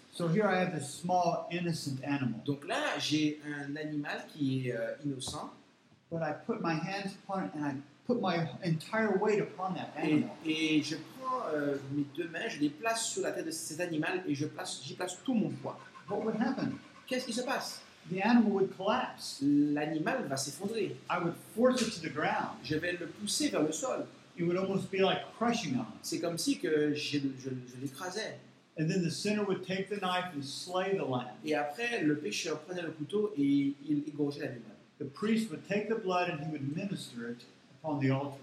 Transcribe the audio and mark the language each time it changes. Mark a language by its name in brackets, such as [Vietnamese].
[English] So here I have a small innocent animal. [French] Donc là, j'ai un animal qui est innocent. [English] But I put my hands upon it and I put my entire weight upon that animal. [French] Et je prends mes deux mains, je les place sur la tête de cet animal et j'y place tout mon poids. [English] What would happen? [French] Qu'est-ce qui se passe? [English] The animal would collapse. [French] L'animal va s'effondrer. [English] I would force it to the ground. [French] Je vais le pousser vers le sol. [English] It would almost be like crushing him. [French] C'est comme si que je l'écrasais. [English] And then the sinner would take the knife and slay the lamb. [French] Et après, le pécheur prenait le couteau et il égorgeait l'animal. [English] The priest would take the blood and he would minister it upon the altar.